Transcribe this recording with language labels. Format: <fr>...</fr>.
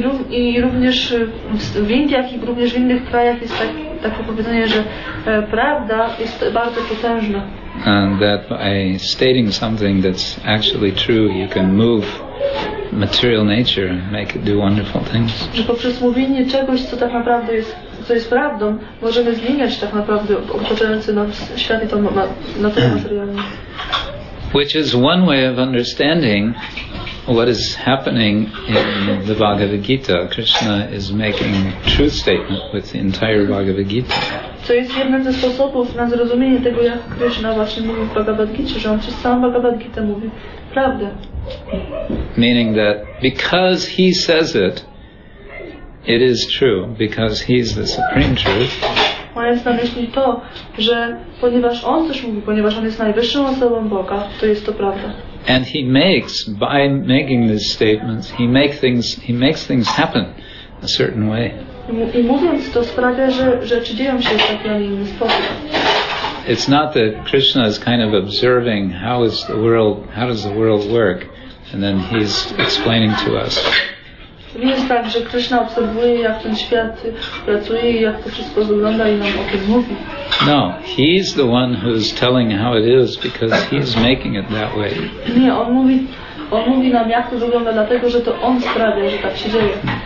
<pl>I również w Indiach i również w innych krajach jest takie powiedzenie, że prawda jest bardzo potężna.</pl> <en>And that by stating something that's actually true, you can move material nature and make it do wonderful things.</en> <pl>Że poprzez mówienie czegoś, co tak naprawdę jest, co jest prawdą, możemy zmieniać tak naprawdę otaczający nas świat i to na tym materialnie.</pl> <en>Which is one way of understanding what is happening in the Bhagavad Gita. Krishna is making truth statement with the entire Bhagavad Gita.</en> <pl>To jest jeden ze sposobów na zrozumienie tego, jak Krishna właśnie mówi w Bhagavad Gita, że on przez całą Bhagavad Gita mówi prawdę.</pl> <en>Meaning that because he says it, it is true, because he's the supreme truth.</en> <pl>Mając na myśli to, że ponieważ on coś mówi, ponieważ on jest najwyższą osobą Boga, to jest to prawda.</pl> <en>And he makes, by making these statements, he makes things happen a certain way.</en> <pl>I mówiąc to sprawia, że rzeczy dzieją się w taki, a nie inny sposób.</pl> <en>It's not that Krishna is kind of observing how does the world work, and then he's explaining to us.</en> <pl>Nie jest tak, że Krishna obserwuje, jak ten świat pracuje i jak to wszystko wygląda i nam o tym mówi.</pl> <en>No, he's the one who's telling how it is, because he's making it that way.</en> <pl>Nie, on mówi nam, jak to wygląda, dlatego że to on sprawia, że tak się dzieje.</pl>